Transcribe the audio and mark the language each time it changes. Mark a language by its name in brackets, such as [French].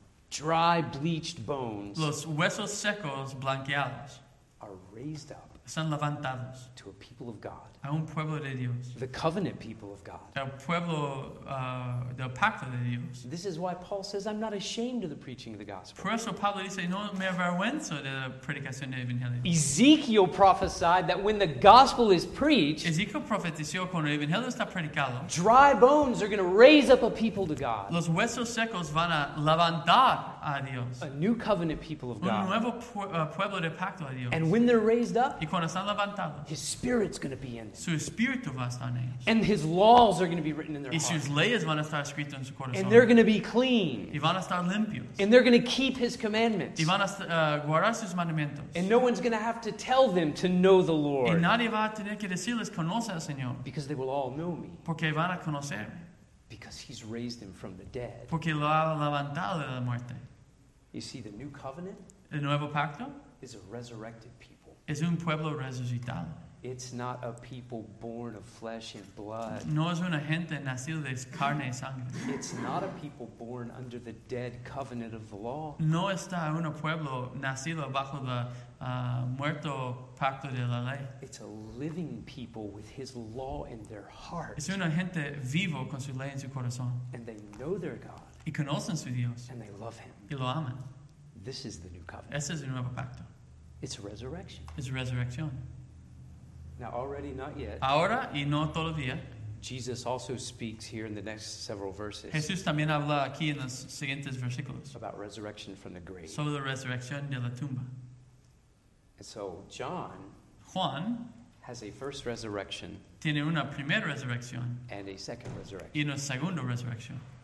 [English] Dry, bleached bones. [Spanish] Los huesos secos blanqueados. [English] Are raised up. [Spanish] Están levantados. [English] To a people of God. [Spanish] A un pueblo de Dios. [English] The covenant people of God. [Spanish] El pueblo del pacto de Dios. [English] This is why Paul says, "I'm not ashamed of the preaching of the gospel." [Spanish] Por eso Pablo dice, "No me avergüenzo de la predicación del evangelio." [English] Ezekiel prophesied that when the gospel is preached, [Spanish] Ezequiel profetizó cuando el evangelio está predicado, [English] dry bones are going to raise up a people to God. [Spanish] Los huesos secos van a levantar a Dios. [English] A new covenant people of [Spanish] un [English] God. [Spanish] Un nuevo pueblo de pacto a Dios. [English] And when they're raised up, [Spanish] y cuando están levantados, [English] His Spirit's going to be in. [Spanish] Su espíritu va a estar en ellos. [English] And his laws are going to be written in their [Spanish] hearts. Y sus leyes van a estar escritas en su corazón. [English] And they're going to be clean. [Spanish] Y van a estar limpios. [English] And they're going to keep his commandments. [Spanish] Y van a guardar sus mandamientos. [English] And no one's going to have to tell them to know the Lord. [Spanish] Y nadie va a tener que decirles, conoce al Señor. [English] Because they will all know me. [Spanish] Porque van a conocerme. [English] Because he's raised them from the dead. [Spanish] Porque lo ha levantado de la muerte. [English] You see, the new covenant. [Spanish] El nuevo pacto. [English] Is a resurrected people. [Spanish] Es un pueblo resucitado. [English] It's not a people born of flesh and blood. [Spanish] No es una gente nacida de carne y sangre. [English] It's not a people born under the dead covenant of the law. [Spanish] No está un pueblo nacido bajo la muerto pacto de la ley. [English] It's a living people with his law in their heart. [Spanish] Es una gente vivo con su ley en su corazón. [English] And they know their God. [Spanish] Y conocen su Dios. [English] And they love him. [Spanish] Y lo aman. [English] This is the new covenant. [Spanish] Este es el nuevo pacto. [English] It's a resurrection. [Spanish] Es resurrección. [English] Now, already, not yet. [Spanish] Ahora y no todavía. [English] Jesus also speaks here in the next several verses. [Spanish] Jesús también habla aquí en los siguientes versículos. [English] About resurrection from the grave. [Spanish] Sobre la resurrección de la tumba. [English] And so John. [Spanish] Juan. [English] Has a first resurrection. [Spanish] Tiene una primera resurrección. [English] And a second resurrection. [Spanish] Y una segunda resurrección.